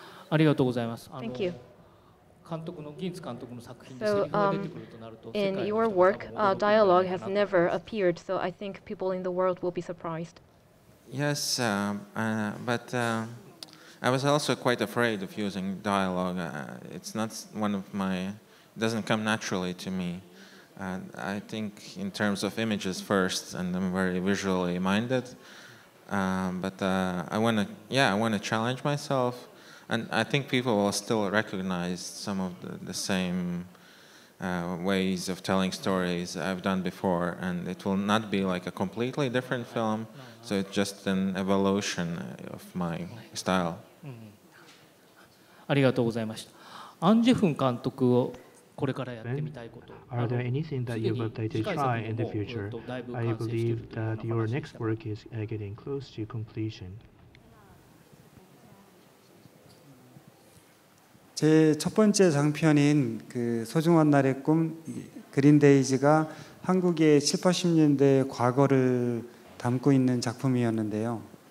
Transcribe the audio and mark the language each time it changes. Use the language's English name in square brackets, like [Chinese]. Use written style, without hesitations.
[Japanese] ありがとうございます。 [English] Thank you. [Japanese] 監督のギンツ監督の作品にセリフが出てくるとなると、 [English] in your work, dialogue has never appeared, so I think people in the world will be surprised. Yes, but I was also quite afraid of using dialogue. It's not one of my, it doesn't come naturally to me. I think in terms of images first, and I'm very visually minded. But I want to challenge myself. And I think people will still recognize some of the same ways of telling stories I've done before, and it will not be like a completely different film. So it's just an evolution of my style. [Japanese] ありがとうございました。アンジェフン監督をこれからやってみたいこと。 [English] Are there anything that you would like to try in the future? I believe that your next work is getting close to completion. [Korean] 제첫번째장편인그소중한날의꿈그린데이즈가한국의7 80년대과거를담고있는작품이었는데요